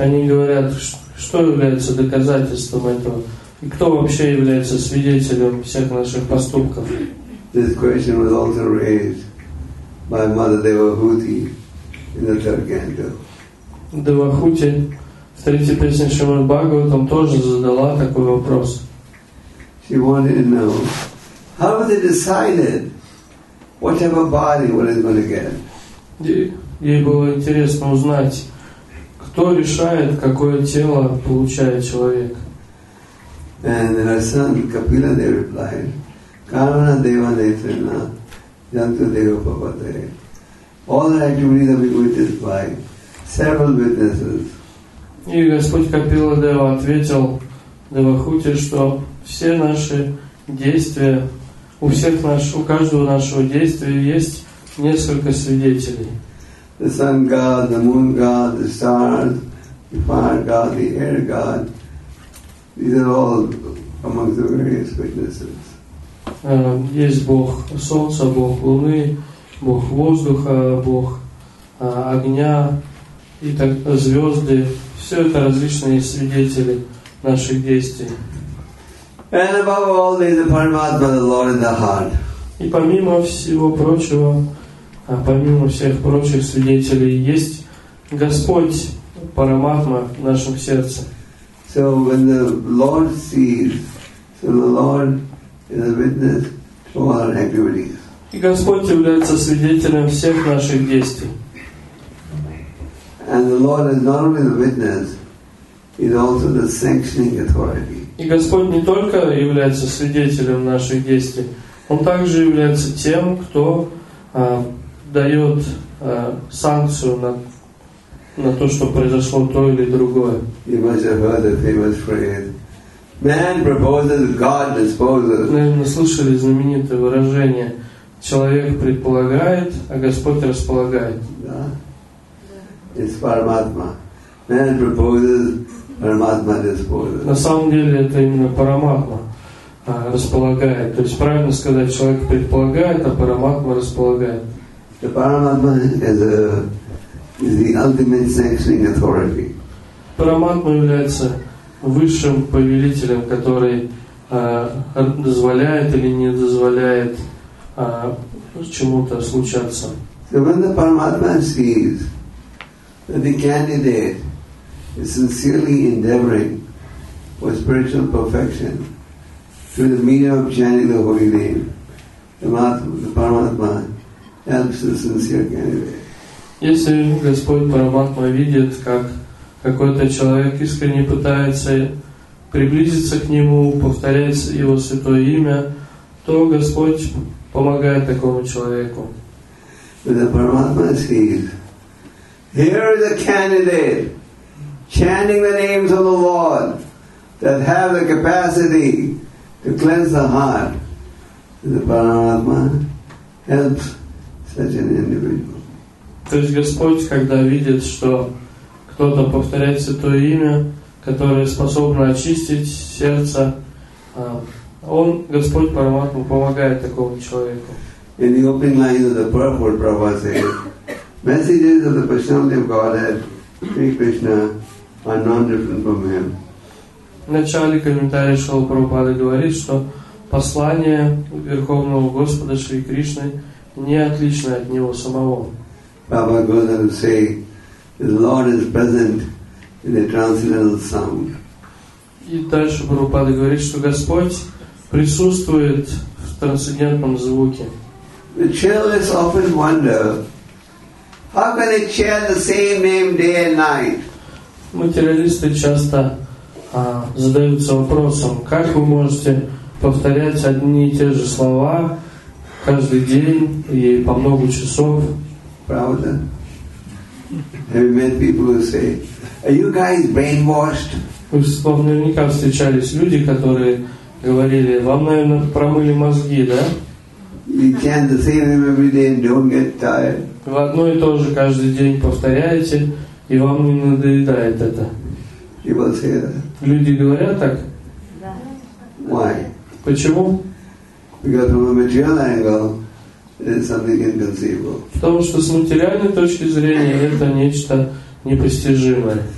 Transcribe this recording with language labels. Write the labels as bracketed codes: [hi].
[ru] Они говорят, что является доказательством этого? И кто вообще является свидетелем всех наших поступков? [en] This question was also raised by Mother Devahuti in the third canto. [ru] Девахути в третьей песне Шримад Бхагаватам тоже задала такой вопрос. [en] She wanted to know how they decided whatever body what is going to get. [ru] Ей было интересно узнать, кто решает, какое тело получает человек. [en] And her son Kapila Dev replied, Karana Deva Netrina Yantra Deva Papate. All the activities are being witnessed by several witnesses. [ru] И Господь Капила Дева ответил Девахути, что все наши действия, у каждого нашего действия есть несколько свидетелей. [en] The sun god, the moon god, the stars, the fire god, the air god. These are all among the various witnesses. [ru] Есть Бог Солнца, Бог Луны, Бог Воздуха, Бог Огня. И так звезды, все это различные свидетели наших действий. [en] And above all, the Paramatma, the Lord in the heart. [ru] И помимо всего прочего, помимо всех прочих свидетелей, есть Господь Параматма в нашем сердце. [en] So when the Lord sees, so the Lord [ru] И Господь является свидетелем всех наших действий. [en] And the Lord is not only the witness, He's also the sanctioning authority. [ru] И Господь не только является свидетелем наших действий, Он также является тем, кто дает санкцию на то, что произошло то или другое. [en] You must have heard the famous phrase, "Man proposes, God disposes." [ru] Наверное, слышали знаменитое выражение: "Человек предполагает, а Господь располагает." Да. [en] It's Paramatma. Man proposes, Paramatma disposes. [ru] На самом деле это именно Paramatma располагает. То есть правильно сказать, человек предполагает, а Paramatma располагает. [en] The Paramatma is the ultimate sanctioning authority. [ru] Paramatma является высшим повелителем, который дозволяет или не дозволяет чему-то случаться. [en] So when the Paramatma sees that the candidate is sincerely endeavoring for spiritual perfection through the medium of chanting the holy name, the Paramatma helps the sincere candidate. [ru] Если Господь Параматма видит, как какой-то человек искренне пытается приблизиться к нему, повторяется его святое имя, то Господь помогает такому человеку. [en] The Paramatma says, "Here is a candidate chanting the names of the Lord that have the capacity to cleanse the heart." The Paramatma helps such an individual. [ru] То есть Господь, когда видит, что кто-то повторяет святое имя, которое способно очистить сердце, Он, Господь Параматма, помогает такому человеку. [en] In the opening lines of the purport, Prabhupada says, "Messages of the Personality of Godhead, Sri Krishna, are non-different from Him." [ru] В начале комментария Шрилы Прабхупады говорит, что послание Верховного Господа Шри Кришны не отлично от Него самого. [en] Prabhupada goes on to say, "The Lord is present in the transcendental sound." [ru] И дальше Прабхупада говорит, что Господь присутствует в трансцендентном звуке. [en] The childless often wonder, how can they chant the same name day and night? [ru] Материалисты часто задаются вопросом, как вы можете повторять одни и те же слова каждый день и по много часов? Правда? [en] Have you met people who say, "Are you guys brainwashed?" [ru] Вы наверняка встречались люди, которые говорили, вам, наверное, промыли мозги, да? [en] You chant the same name every day and don't get tired. [ru] В одно и то же каждый день повторяете, и вам не надоедает это. [en] People say that. [ru] Люди говорят так? Да. [en] Why? [ru] Почему? [en] Because from a material angle, it's something inconceivable. [ru] Потому что с материальной точки зрения это нечто непостижимое.